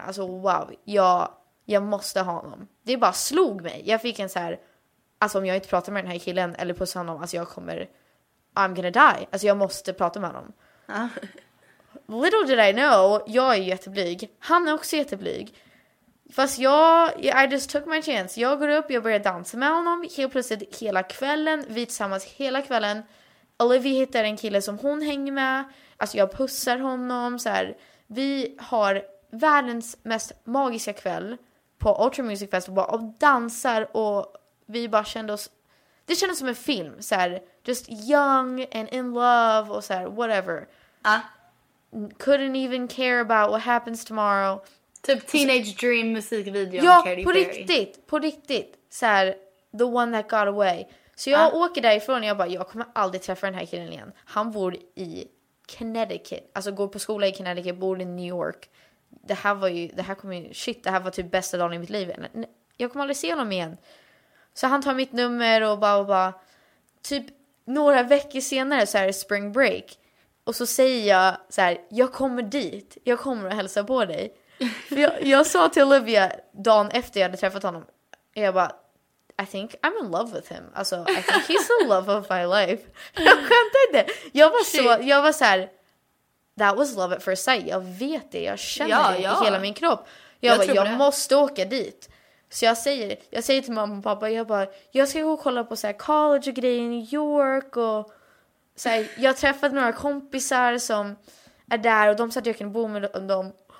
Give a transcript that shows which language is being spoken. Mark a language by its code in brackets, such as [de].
[sv] Alltså wow, jag måste ha honom. Det bara slog mig. Jag fick en så här, alltså om jag inte pratar med den här killen eller pussar honom, alltså jag kommer, [en] I'm gonna die. [sv] Alltså jag måste prata med honom. [en] Little did I know, [sv] jag är jätteblyg. Han är också jätteblyg. Fast jag, [en] I just took my chance. [sv] Jag går upp, jag börjar dansa med honom. Helt plötsligt hela kvällen. Vi tillsammans hela kvällen. Olivia hittar en kille som hon hänger med. Alltså jag pussar honom. Så här. Vi har världens mest magiska kväll på Ultra Music Festival. Och dansar och vi bara kände oss... Det kändes som en film. Så här, [en] just young and in love [sv] och så här, [en] whatever. Couldn't even care about what happens tomorrow. [sv] Typ Teenage Dream musikvideo. Ja, på riktigt. På riktigt. Så här, [en] the one that got away. [sv] Så jag åker därifrån och jag bara, jag kommer aldrig träffa den här killen igen. Han bor i Connecticut. Alltså går på skola i Connecticut, bor i New York. Det här var ju, det här kommer ju, shit, det här var typ bästa dagen i mitt liv. Jag kommer aldrig se honom igen. Så han tar mitt nummer och bara, typ några veckor senare så är det spring break. Och så säger jag så här, jag kommer dit. Jag kommer att hälsa på dig. Jag sa till Olivia dagen efter jag hade träffat honom. Jag bara, [en] I think I'm in love with him. [sv] Alltså, [en] I think he's the love of my life. [sv] Jag skämtar inte. Jag var så här, [en] that was love at first sight. [sv] Jag vet det, jag känner det i hela min kropp. Jag måste åka dit. Så jag säger till mamma och pappa, jag bara, jag ska gå och kolla på så här college och grejer i New York. Och så här, jag träffade några kompisar som är där och de sa att jag kan bo med dem.